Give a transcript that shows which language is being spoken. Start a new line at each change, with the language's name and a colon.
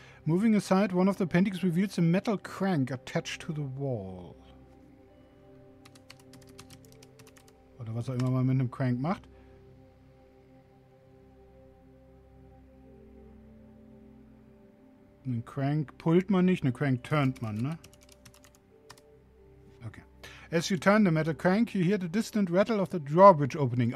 English: Moving aside, one of the paintings reveals a metal crank attached to the wall.
German: Oder was auch immer man mit einem Crank macht. Einen Crank pullt man nicht, einen Crank turnt man, ne?
English: As you turn the metal crank, you hear the distant rattle of the drawbridge opening.